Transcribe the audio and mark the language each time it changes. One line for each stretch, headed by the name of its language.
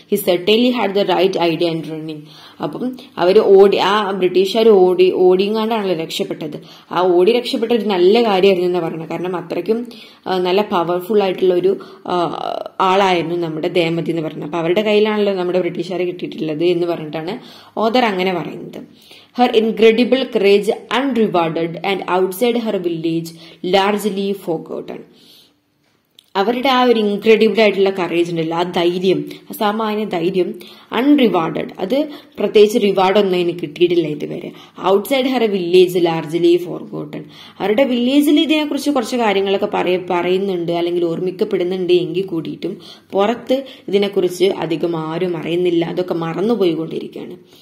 English: He certainly had the right idea and running.
Malayalam: അപ്പം അവര് ഓടി, ആ ബ്രിട്ടീഷുകാർ ഓടി ഓടിയങ്ങാണ്ടാണല്ലോ രക്ഷപ്പെട്ടത്. ആ ഓടി രക്ഷപ്പെട്ട ഒരു നല്ല കാര്യമായിരുന്നു എന്ന് പറഞ്ഞത്, കാരണം അത്രയ്ക്കും നല്ല പവർഫുൾ ആയിട്ടുള്ള ഒരു ആളായിരുന്നു നമ്മുടെ ദേമതി എന്ന് പറഞ്ഞത്. അപ്പൊ അവരുടെ കയ്യിലാണല്ലോ നമ്മുടെ ബ്രിട്ടീഷുകാരെ കിട്ടിയിട്ടുള്ളത് എന്ന് പറഞ്ഞിട്ടാണ് ഓദർ അങ്ങനെ പറയുന്നത്.
English: Her incredible courage unrewarded and outside her village largely forgotten.
Malayalam: അവരുടെ ആ ഒരു ഇൻക്രെഡിബിൾ ആയിട്ടുള്ള കറേജ് ഉണ്ടല്ലോ, ആ ധൈര്യം, അസാമാന്യ ധൈര്യം, അൺറിവാർഡഡ്, അത് പ്രത്യേകിച്ച് റിവാർഡൊന്നും അതിന് കിട്ടിയിട്ടില്ല ഇതുവരെ.
English: outside her village largely forgotten,
Malayalam: അവരുടെ വില്ലേജിൽ ഇതിനെക്കുറിച്ച് കുറച്ച് കാര്യങ്ങളൊക്കെ പറയുന്നുണ്ട് അല്ലെങ്കിൽ ഓർമ്മിക്കപ്പെടുന്നുണ്ട് എങ്കിൽ കൂടിയിട്ടും പുറത്ത് ഇതിനെക്കുറിച്ച് അധികം ആരും അറിയുന്നില്ല, അതൊക്കെ മറന്നുപോയിക്കൊണ്ടിരിക്കുകയാണ്.